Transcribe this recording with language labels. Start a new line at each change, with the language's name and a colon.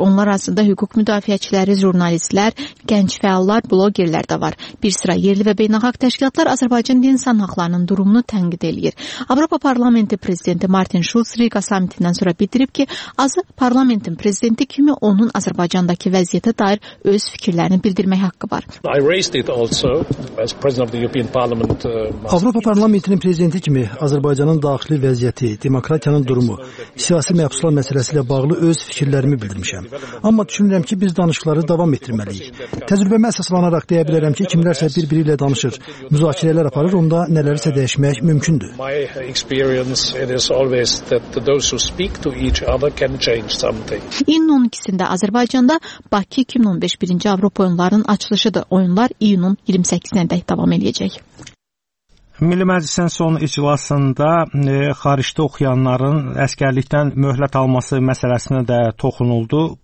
Azerbaijani: Onlar arasında hüquq müdafiəçiləri, jurnalistlər, gənc fəallar, bloggerlər də var. Bir sıra yerli və beynəlxalq təşkilatlar Azərbaycan insan haqlarının durumunu tənqid edir. Avropa Parlamenti Prezidenti Martin Schulz Riga samitindən sonra bildirib ki, azı parlamentin prezidenti kimi onun Azərbaycandakı vəziyyətə dair öz fikirlərini bildirmək haqqı var.
English: I raised it also as president of the European Parliament.
Azerbaijani: Avropa Parlamentinin prezidenti kimi Azərbaycanın daxili vəziyyəti, demokratiyanın durumu, siyasi məhsullar məsələsi ilə bağlı öz fikirlərimi bildirmişəm. Amma düşünürəm ki, biz danışıqları davam etdirməliyik. Təcrübəmə əsaslanaraq deyə bilərəm ki, kimlərsə bir-biri ilə danışır, müzakirələr aparır, onda nələrisə dəyişmək mümkündür.
English: My experience is always that those who speak to each other can change something.
Azerbaijani: İyunun 12-sində Azərbaycanda Bakı 2015 birinci Avropa oyunlarının açılışıdır. Oyunlar iyunun 28-nədə davam edəcək. Milli Məclisin son iclasında xaricdə oxuyanların əskərlikdən möhlət alması məsələsinə də toxunuldu.